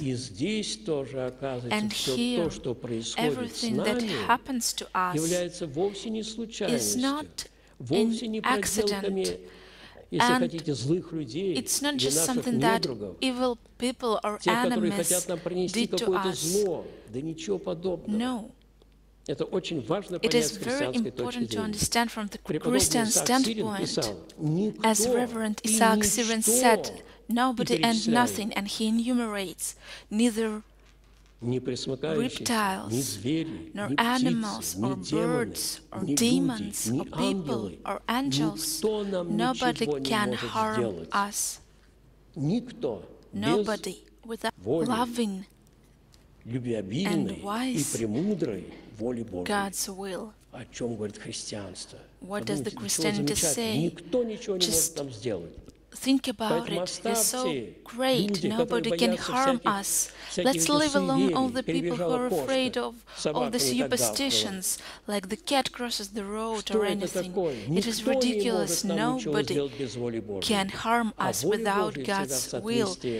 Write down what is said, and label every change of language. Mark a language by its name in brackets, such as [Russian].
[Russian] И здесь тоже оказывается все то, что происходит с нами, является вовсе не случайностью, вовсе не проделками, если хотите, злых людей или наших недругов, те, которые хотят нам принести какое-то зло, да ничего подобного. [English] No. [Russian] Это очень важно понять с христианской точки зрения. Преподобный Исаак Сирин писал, никто и ничто [English] said, nobody and nothing, and he enumerates neither reptiles, nor animals, or birds, or demons, or people, or angels. Nobody can harm us. Nobody without loving and wise God's will. [Russian] О чем говорит христианство? [English] What does the Christianity say? [Russian] Никто ничего не может нам сделать. [English] Think about it. It's so great. Nobody can harm us. Let's leave alone all the people who are afraid of all the superstitions, like the cat crosses the road or anything. It is ridiculous. Nobody can harm us without God's will.